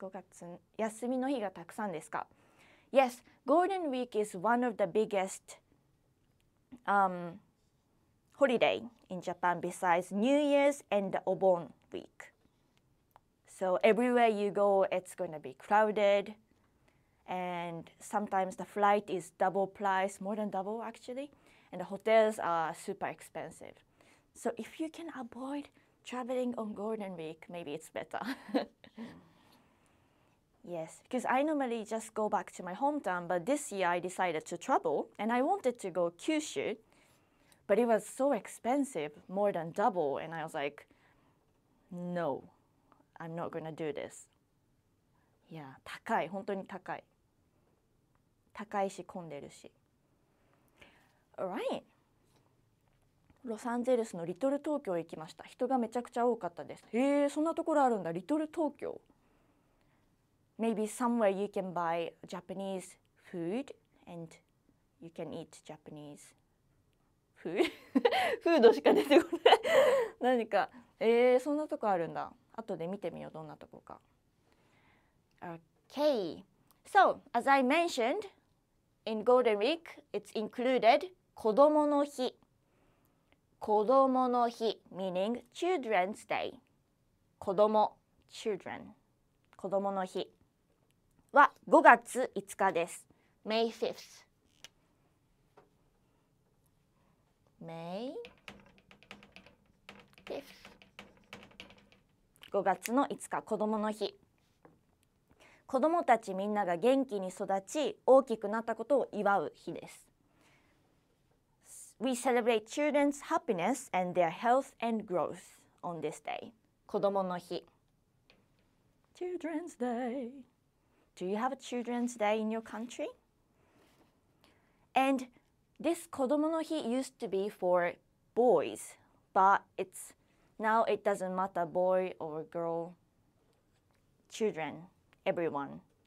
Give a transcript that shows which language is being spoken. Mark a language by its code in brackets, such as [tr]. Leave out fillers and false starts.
[ja] 5月、休みの日がたくさんですか? [en] Yes, Golden Week is one of the biggest holiday in Japan besides New Year's and the Obon week. So everywhere you go, it's going to be crowded. And sometimes the flight is double price, more than double actually. And the hotels are super expensive. So if you can avoid traveling on Golden Week, maybe it's better. Yes, because I normally just go back to my hometown, but this year I decided to travel and I wanted to go Kyushu. But it was so expensive, more than double. And I was like, No, I'm not gonna do this. Yeah, [ja] 高い、本当に高い。高いし混んでるし。Alright. ロサンゼルスのリトル東京行きました。人がめちゃくちゃ多かったです。へえ、そんなところあるんだ。リトル東京。 [en] Maybe somewhere you can buy Japanese food and you can eat Japanese food. [ja] フードしか出てこない。何か。そんなとこあるんだ。後で見てみよう、どんなとこか。 [en] Okay. So, as I mentioned, in Golden Week, it's included 子供の日。 [ja] 子供の日、meaning Children's Day。子供、children。子供の日。は5月5日です。May 5th。 [en] May 5th。 [ja] 5月の5日、子供の日。子供たちみんなが元気に育ち、大きくなったことを祝う日です。 [en] We celebrate children's happiness and their health and growth on this day. [ja] 子供の日。Children's Day. [en] Do you have a Children's Day in your country? And this 子供の日 used to be for boys, but it's now it doesn't matter boy or girl, children, everyone.